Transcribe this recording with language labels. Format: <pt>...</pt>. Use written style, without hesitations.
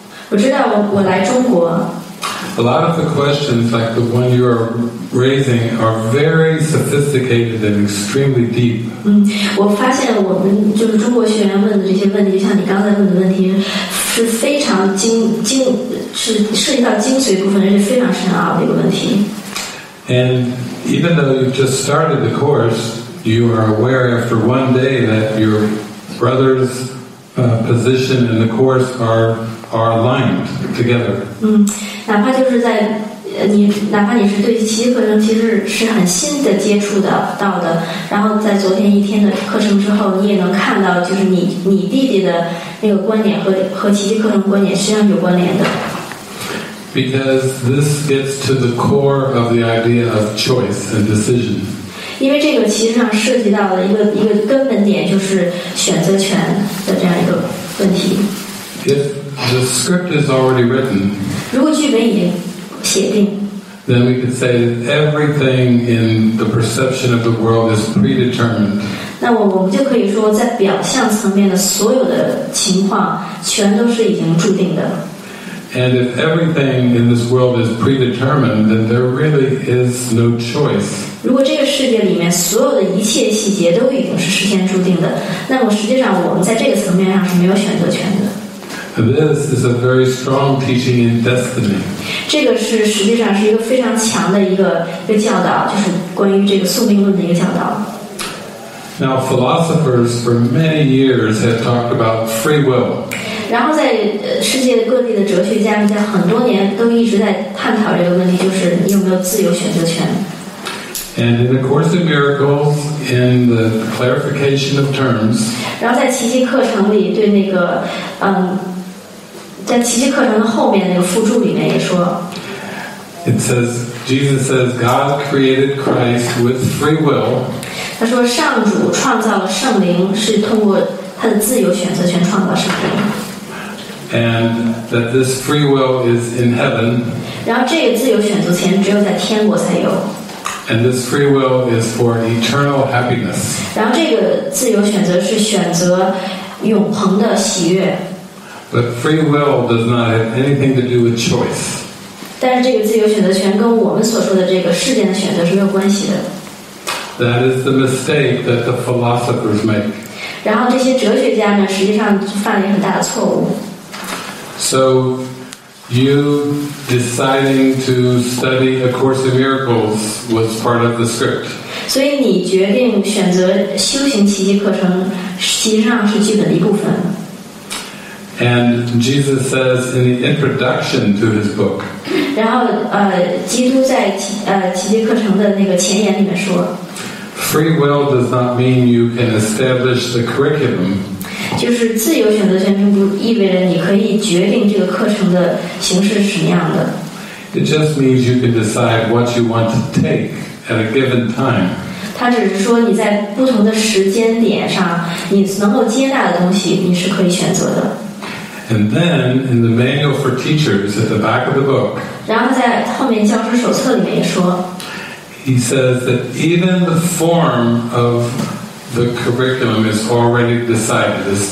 <zh>我知道我来中国。</zh> <en>A lot of the questions, like the one you are raising, are very sophisticated and extremely deep.</en> <zh>我发现我们就是中国学员问的这些问题，就像你刚才问的问题，是非常涉及到精髓部分，而且非常深奥的一个问题。</zh> <en>And even though you've just started the course, you are aware after one day that your brother's position in the course are aligned together.</en> <zh>哪怕就是在你，哪怕你是对奇迹课程其实是很新的接触的到的，然后在昨天一天的课程之后，你也能看到，就是你弟弟的那个观点和奇迹课程观点实际上有关联的。</zh> <en>Because this gets to the core of the idea of choice and decision.</en> <zh>因为这个其实上涉及到了一个根本点，就是选择权的这样一个问题。</zh> <en>If the script is already written,</en> <zh>如果剧本已经写定,</zh> <en>then we could say that everything in the perception of the world is predetermined.</en> <zh>那我们就可以说，在表象层面的所有的情况全都是已经注定的。</zh> <en>And if everything in this world is predetermined, then there really is no choice.</en> <zh>如果这个世界里面所有的一切细节都已经是事先注定的，那么实际上我们在这个层面上是没有选择权的。</zh> <en>This is a very strong teaching in destiny.</en> <zh>这个是实际上是一个非常强的一个教导，就是关于这个宿命论的一个教导。</zh> <en>Now philosophers for many years have talked about free will.</en> <zh>然后在世界各地的哲学家们在很多年都一直在探讨这个问题，就是你有没有自由选择权。</zh> <en>And in the Course in Miracles, in the clarification of terms.</en> <zh>然后在奇迹课程里对那个在奇迹课程的后面那个附注里面也说</zh> <en>，It says Jesus says God created Christ with free will.</en> <zh>他说上主创造了圣灵是通过他的自由选择权创造圣灵。</zh> <en>And that this free will is in heaven.</en> <zh>然后这个自由选择权只有在天国才有。</zh> <en>And this free will is for eternal happiness.</en> <zh>然后这个自由选择是选择永恒的喜悦。</zh> <en>But free will does not have anything to do with choice.</en> <zh>但是这个自由选择权跟我们所说的这个世间的选择是没有关系的。</zh> <en>That is the mistake that the philosophers make.</en> <zh>然后这些哲学家呢，实际上犯了很大的错误。</zh> <en>So, you deciding to study A Course in Miracles was part of the script.</en> <zh>所以你决定选择修行奇迹课程，实际上是剧本的一部分。</zh> <en>And Jesus says in the introduction to his book,</en> <zh>然后基督在期间课程的那个前言里面说,</zh> <en>free will does not mean you can establish the curriculum.</en> <zh>就是自由选择权并不意味着你可以决定这个课程的形式是什么样的。</zh> <en>It just means you can decide what you want to take at a given time.</en> <zh>它只是说你在不同的时间点上，你能够接纳的东西，你是可以选择的。</zh> <en>And then, in the manual for teachers at the back of the book,</en> <zh>然后在后面教师手册里面也说,</zh> <en>he says that even the form of the curriculum is already decided.</en>